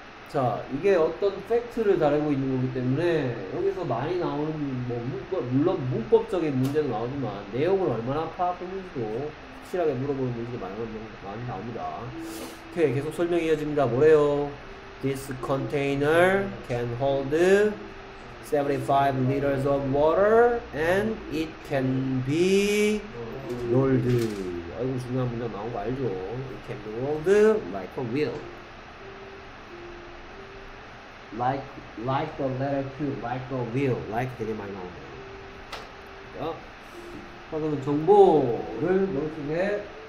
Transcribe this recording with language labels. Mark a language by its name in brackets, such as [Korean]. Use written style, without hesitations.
[Korean] 자, 이게 어떤 팩트를 다루고 있는 거기 때문에 여기서 많이 나오는 뭐 문법, 물론 문법적인 문제도 나오지만 내용을 얼마나 파악했는지도 확실하게 물어보는 문제도 많이 나옵니다. 오케이, 계속 설명이 이어집니다. 뭐래요? [English] This container can hold 75 liters of water and it can be rolled. [Korean] 아이고, 중요한 문제 나온 거 알죠? [English] It can be rolled like a wheel. Like the letter Q, like the wheel, like [Korean] 되게 많이 나오네요. 자, 그러면 정보를 넣을 수 있게